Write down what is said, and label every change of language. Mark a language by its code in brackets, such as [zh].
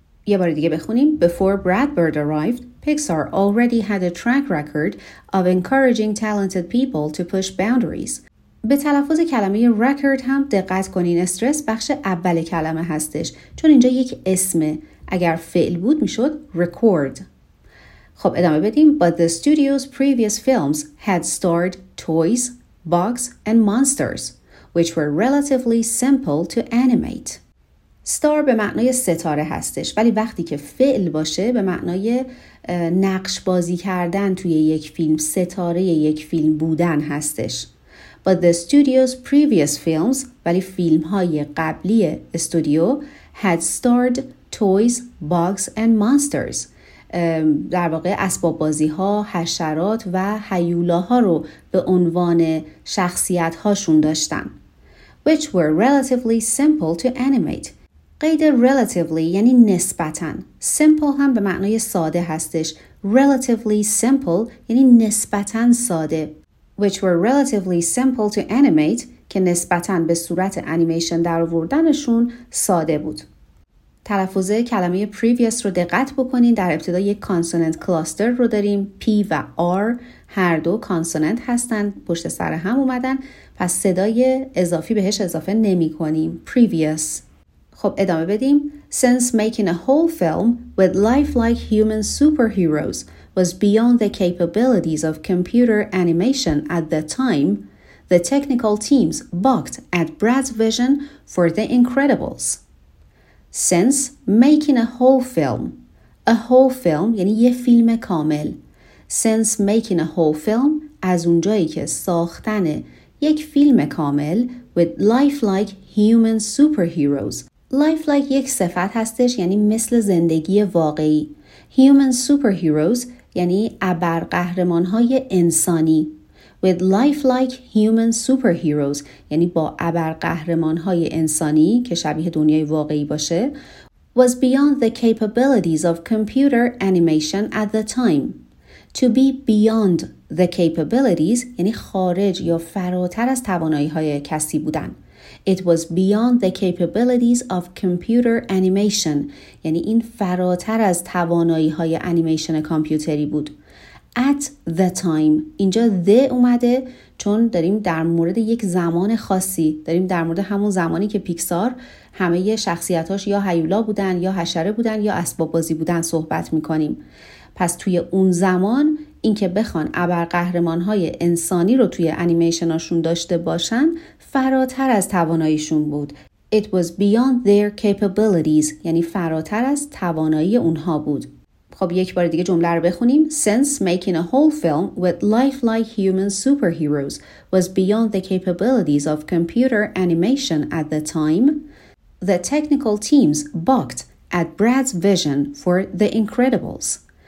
[fa] یه بار دیگه بخونیم. [en] Before Brad Bird arrived, Pixar already had a track record of encouraging talented people to push boundaries. [fa] به تلفظ کلمه record هم دقت کنین. استرس بخش اول کلمه هستش، چون اینجا یک اسمه. اگر فعل بود میشد record. خب ادامه بدیم. [en] But the studio's previous films had starred toys, bugs, and monsters, which were relatively simple to animate. [fa] ستار به معنای ستاره هستش، ولی وقتی که فعل باشه به معنای نقش بازی کردن توی یک فیلم، ستاره یک فیلم بودن هستش. [en] But the studio's previous films، [fa] ولی فیلم های قبلی استودیو، [en] had starred toys, bugs and monsters. [fa] در واقع اسباب بازی ها، حشرات و هیولاها رو به عنوان شخصیت هاشون داشتن. [en] Which were relatively simple to animate. [fa] قید [en] relatively [fa] یعنی نسبتاً. Simple هم به معنای ساده هستش. [en] Relatively simple [fa] یعنی نسبتاً ساده. [en] Which were relatively simple to animate [fa] که نسبتاً به صورت انیمیشن در آوردنشون ساده بود. تلفظ کلمه previous رو دقت بکنین. در ابتدا یک consonant cluster رو داریم. P و R هر دو consonant هستن. پشت سر هم اومدن. پس صدای اضافی بهش اضافه نمی کنیم. Previous. خب ادامه بدیم. [en] Since making a whole film with lifelike human superheroes was beyond the capabilities of computer animation at the time, the technical teams balked at Brad's vision for The Incredibles. Since making a whole film [fa] یعنی یه فیلم کامل. [en] Since making a whole film [fa] از اونجایی که ساختن یک فیلم کامل [en] with lifelike human superheroes. [fa] Lifelike یک صفت هستش یعنی مثل زندگی واقعی. [en] Human superheroes [fa] یعنی ابرقهرمان‌های انسانی. [en] With lifelike human superheroes [fa] یعنی با ابرقهرمان‌های انسانی که شبیه دنیای واقعی باشه. [en] Was beyond the capabilities of computer animation at the time. To be beyond the capabilities [fa] یعنی خارج یا فراتر از توانایی‌های کسی بودن. [en] It was beyond the capabilities of computer animation. [fa] یعنی این فراتر از توانایی های انیمیشن کامپیوتری بود. [en] At the time. [fa] اینجا the اومده چون داریم در مورد یک زمان خاصی. داریم در مورد همون زمانی که پیکسار همه ی شخصیتاش یا هیولا بودن یا حشره بودن یا اسباب بازی بودن صحبت میکنیم. پس توی اون زمان این که بخوان ابرقهرمان های انسانی رو توی انیمیشناشون داشته باشن، فراتر از تواناییشون بود. [en] It was beyond their capabilities. [fa] یعنی فراتر از توانایی اونها بود. خب یک بار دیگه جمله رو بخونیم. [en] Since making a whole film with lifelike human superheroes was beyond the capabilities of computer animation at the time, the technical teams balked at Brad's vision for The Incredibles.